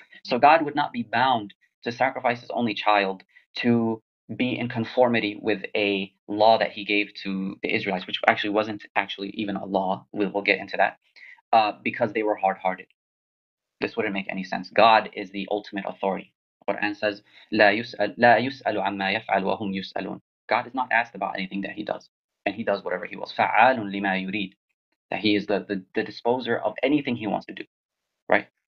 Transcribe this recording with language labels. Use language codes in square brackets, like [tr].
[en] So God would not be bound to sacrifice his only child to be in conformity with a law that he gave to the Israelites, which actually wasn't actually even a law. We'll get into that, because they were hard-hearted. This wouldn't make any sense. God is the ultimate authority. Quran says, [ar] لا يسأل عما يفعل وهم يسألون. [en] God is not asked about anything that he does, and he does whatever he wants. [ar] فعال لما يريد. [en] That he is the disposer of anything he wants to do, right?